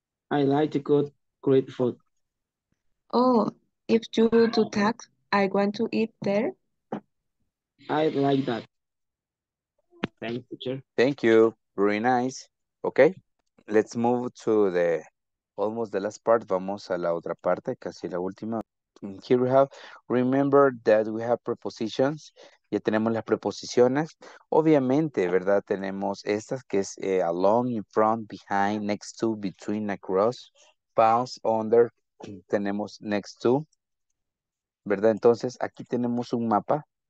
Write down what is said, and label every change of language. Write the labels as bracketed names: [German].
[English] I like to cook great food. Oh, if you do that, I want to eat there. I like that. Thank you, teacher. Thank you. Very nice. Okay, let's move to the almost the last part. [Spanish] Vamos a la otra parte, casi la última. [English] Here we have, remember that we have prepositions. [Spanish] Ya tenemos las preposiciones. Obviamente, ¿verdad? Tenemos estas que es [English] along, in front, behind, next to, between, across, past, under. [Spanish] Tenemos next to. ¿Verdad? Entonces, aquí tenemos un mapa.